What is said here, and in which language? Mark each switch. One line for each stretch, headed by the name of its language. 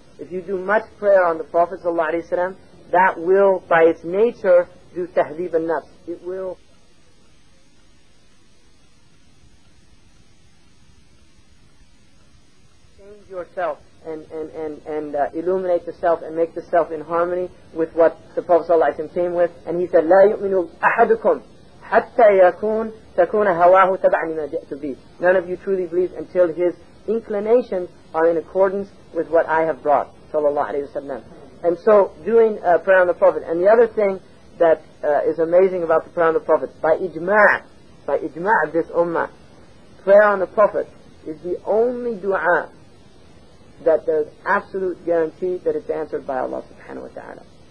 English: If you do much prayer on the Prophet sallallahu alayhi wa sallam, that will, by its nature, do tahdhib al-nafs. It will... change yourself and illuminate the self and make the self in harmony with what the Prophet sallallahu alayhi wa sallam came with.
Arabic: And he said, لا يؤمن أحدكم حتى يكون تكون هواه تبع لما جئت به.
English: None of you truly believes until his inclinations are in accordance with what I have brought, sallallahu alayhi wa sallam. And so, doing prayer on the Prophet. And the other thing that is amazing about the prayer on the Prophet, by ijma' of this ummah, prayer on the Prophet is the only dua that there's absolute guarantee that it's answered by Allah subhanahu wa ta'ala.